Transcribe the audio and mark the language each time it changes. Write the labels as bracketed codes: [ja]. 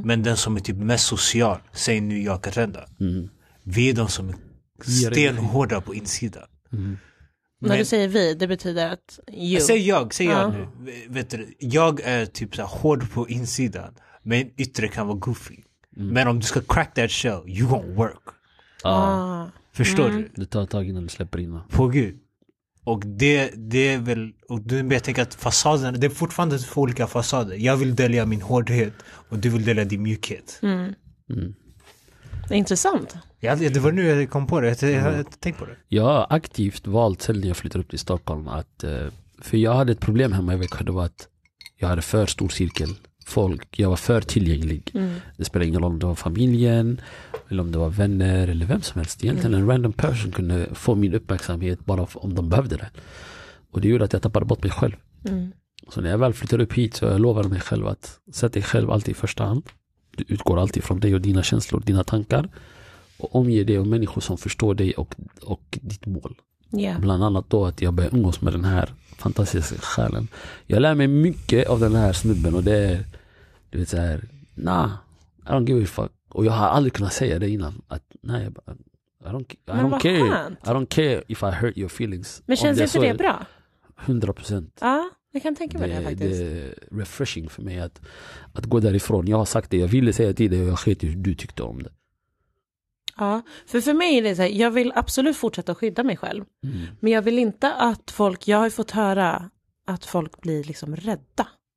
[sv] Men den som är typ mest social, säger nu jag kan rända. Mm. Vi är de som är stenhårda på insidan. Mm. Men, när du säger vi, det betyder att you. Säg jag nu. Vet du, jag är typ så här hård på insidan, men yttre kan vara goofy. Mm. Men om du ska [en] crack that shell, you won't work. [sv] Förstår du? Det tar tag innan du släpper in. På gud. Och det är väl, och nu börjar jag tänka att fasaden, det är fortfarande två olika fasader. Jag vill dölja min hårdhet och du vill dölja din mjukhet. Det är intressant. Ja, det var nu jag kom på det. Jag tänkte på det. Jag har aktivt valt sen när jag flyttade upp till Stockholm att, för jag hade ett problem hemma i veckan, det var att jag hade för stor cirkel folk. Jag var för tillgänglig. Mm. Det spelade ingen roll om det var familjen eller om det var vänner eller vem som helst. Egentligen en random person kunde få min uppmärksamhet bara om de behövde det. Och det gjorde att jag tappade bort mig själv. Mm. Så när jag väl flyttade upp hit så jag lovade mig själv att sätta dig själv alltid i första hand. Du utgår alltid från dig och dina känslor, dina tankar. Och omge dig av människor som förstår dig och ditt mål. [en] Yeah. [sv] Bland annat då att jag börjar umgås med den här fantastiska själen. Jag lär mig mycket av den här snubben och det är, du vet, så här, [en] nah, I don't give a fuck. [sv] Och jag har aldrig kunnat säga det innan. Att, nej, [en] I don't care if I hurt your feelings. [sv] Men känns det inte det bra? 100%. Ja. Jag kan tänka mig det faktiskt. Det är refreshing för mig att gå därifrån. Jag har sagt det, jag ville säga till dig och jag skete hur du tyckte om det. Ja, för mig är det så här, jag vill absolut fortsätta skydda mig själv. Mm. Men jag vill inte att folk, jag har ju fått höra att folk blir liksom rädda.